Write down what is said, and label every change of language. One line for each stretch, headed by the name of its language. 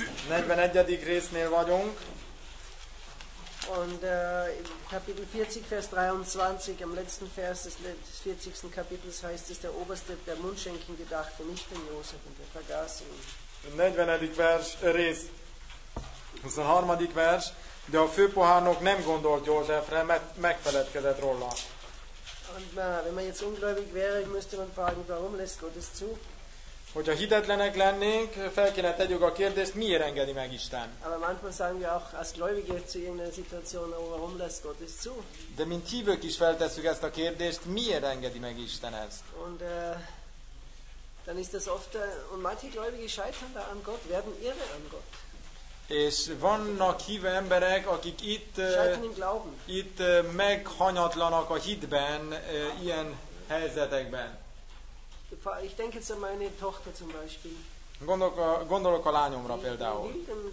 Hungarian: 41-ig résznél vagyunk.
German: Und Kapitel 40, Vers 23, am letzten Vers des 40. Kapitels heißt es, der Oberste der Mundschenken gedachte nicht an Josef und er vergaß ihn.
Hungarian: 41. Vers, rész, 23. Vers, de a főpohárnok nem gondolt Józsefre, mert megfeledkezett róla.
German: Und wenn man jetzt ungläubig wäre, müsste man fragen, warum lässt Gott es zu?
Hungarian: Hogyha hitetlenek lennénk, fel kéne tegyük a kérdést, miért engedi meg Isten?
German: Aber manchmal sagen wir auch als Gläubige zu irgendeiner Situation, warum lässt Gott es zu?
Hungarian: De mint hívők is feltesszük ezt a kérdést, miért engedi meg Isten ezt?
German: Und dann ist das oft und manche Gläubige scheitern da an Gott, werden irre an Gott.
Hungarian: És vannak hívő emberek, akik itt meghanyatlanak a hitben, ilyen helyzetekben.
German: Ich denke jetzt an meine Tochter zum Beispiel.
Hungarian: Gondolok a lányomra például.